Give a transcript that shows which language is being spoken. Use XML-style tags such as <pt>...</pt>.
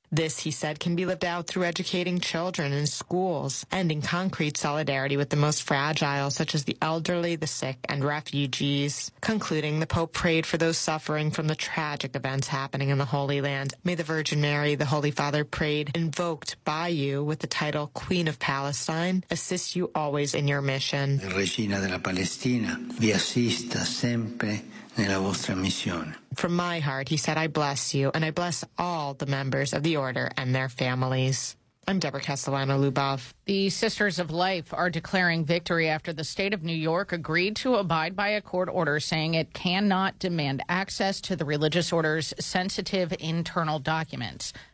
<en>This, he said, can be lived out through educating children in schools and in concrete solidarity with the most fragile, such as the elderly, the sick, and refugees. Concluding, the Pope prayed for those suffering from the tragic events happening in the Holy Land. May the Virgin Mary, the Holy Father prayed, invoked by you with the title Queen of Palestine, assist you always in your mission.</en> <it>Regina della Palestina, vi assista sempre nella vostra missione.</it> <en>From my heart, he said, I bless you, and I bless all the members of the order and their families. I'm Deborah Castellano-Lubov. The Sisters of Life are declaring victory after the state of New York agreed to abide by a court order saying it cannot demand access to the religious order's sensitive internal documents.</en>